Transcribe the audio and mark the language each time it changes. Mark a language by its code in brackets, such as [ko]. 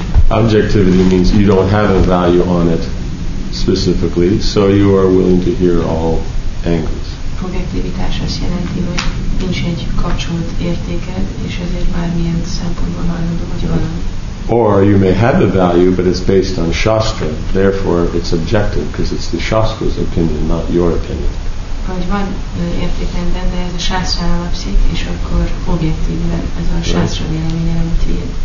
[en] Objectivity means you don't have a value on it specifically, so you are willing to hear all angles. [hu] Objektivitás azt jelenti, hogy nincs egy kapcsolt értéked, és ezért bármilyen szempontból hallgatod, hogy valami. [en] Or you may have a value, but it's based on Shastra, therefore it's objective, because it's the Shastra's opinion, not your opinion. [hu] Vagy van értékrenden, de ez a Shastra alapszik, és akkor objektív, ez a Shastra véleménye, nem a tiéd.